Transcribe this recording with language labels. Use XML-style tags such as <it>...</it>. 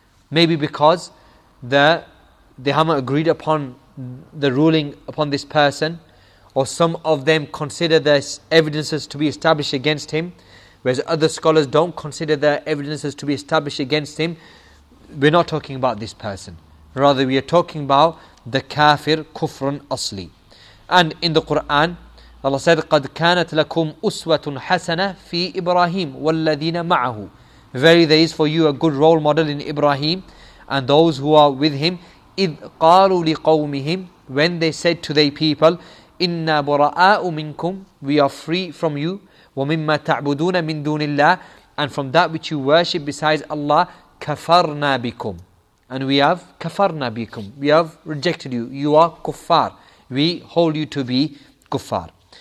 <en>Maybe because they haven't agreed upon the ruling upon this person, or some of them consider the evidences to be established against him, whereas other scholars don't consider the evidences to be established against him. We're not talking about this person. Rather, we are talking about the kafir kufrun asli. And in the Quran, Allah said,</en> <ar>قَدْ كَانَتْ لَكُمْ أُسْوَةٌ حَسَنَةٌ فِي إِبْرَاهِيمُ وَالَّذِينَ مَعَهُ.</ar> <en>Verily, there is for you a good role model in Ibrahim and those who are with him.</en> <ar>إِذْ قَالُوا لِقَوْمِهِمْ,</ar> <en>when they said to their people,</en> <ar>إِنَّا بُرَآءُ مِنْكُمْ,</ar> <en>we are free from you.</en> <ar>وَمِمَّا تَعْبُدُونَ مِنْ دُونِ اللَّهِ,</ar> <en>and from that which you worship besides Allah,</en> <ar>كَفَرْنَا بِكُمْ,</ar> <en>and we have كَفَرْنَا بِكُمْ, we have rejected you, you are kuffar, we hold you to be kuffar.</en>